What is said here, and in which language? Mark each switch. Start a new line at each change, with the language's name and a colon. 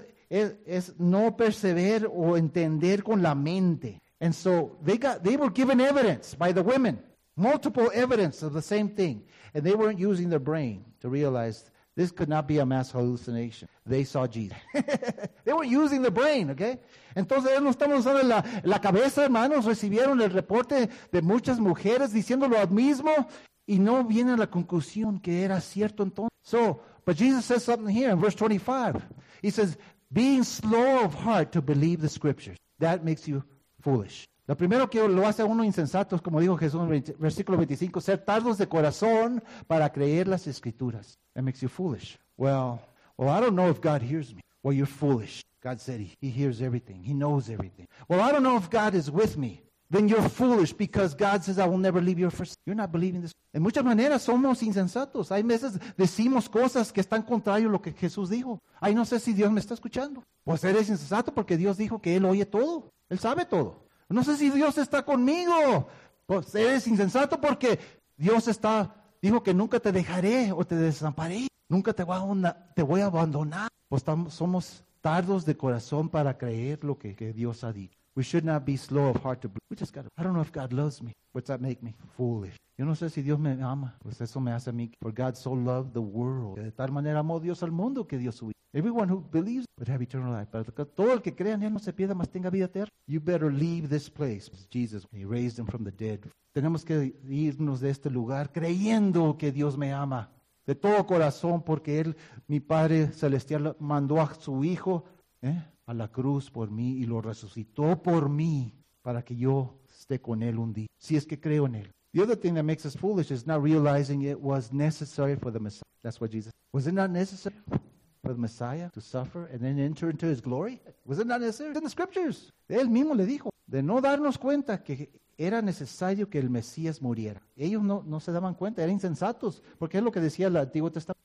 Spanish: Es no percibir o entender con la mente.
English: And so, they were given evidence by the women. Multiple evidence of the same thing. And they weren't using their brain to realize this could not be a mass hallucination. They saw Jesus. They weren't using the brain, okay?
Spanish: Entonces, no estamos usando la cabeza, hermanos. Recibieron el reporte de muchas mujeres diciendo lo mismo. Y no viene a la conclusión que era cierto entonces.
English: So, but Jesus says something here in verse 25. He says, being slow of heart to believe the scriptures. That makes you foolish.
Spanish: Lo primero que lo hace a uno insensato es, como dijo Jesús en versículo 25, ser tardos de corazón para creer las escrituras.
English: That makes you foolish. Well, I don't know if God hears me. Well, you're foolish. God said he hears everything. He knows everything. Well, I don't know if God is with me. Then you're foolish because God says I will never leave you. You're not believing this.
Spanish: En muchas maneras somos insensatos. Hay veces decimos cosas que están contrario a lo que Jesús dijo. Ay, no sé si Dios me está escuchando. Pues eres insensato porque Dios dijo que él oye todo. Él sabe todo. No sé si Dios está conmigo. Pues eres insensato porque Dios está, Dijo que nunca te dejaré o te desamparé. Nunca te voy a abandonar. Pues somos tardos de corazón para creer lo que Dios ha dicho.
English: We should not be slow of heart to believe. I don't know if God loves me. What's that make me? Foolish.
Spanish: Yo no sé si Dios me ama. Pues eso me hace a mí.
English: For God so loved the world.
Spanish: Que de tal manera amó Dios al mundo que dio su vida.
English: Everyone who believes would have eternal life.
Spanish: Pero todo el que crea en él no se pierda, mas tenga vida eterna.
English: You better leave this place. Jesus, he raised him from the dead.
Spanish: Tenemos que irnos de este lugar creyendo que Dios me ama. De todo corazón, porque él, mi Padre Celestial, mandó a su Hijo a la cruz por mí y lo resucitó por mí para que yo esté con él un día. Si es que creo en él.
English: The other thing that makes us foolish is not realizing it was necessary for the Messiah. That's what Jesus said. Was it not necessary for the Messiah to suffer and then enter into his glory? Was it not necessary? It's in the scriptures.
Spanish: Él mismo le dijo. De no darnos cuenta que era necesario que el Mesías muriera. Ellos no se daban cuenta, eran insensatos, porque es lo que decía el Antiguo Testamento.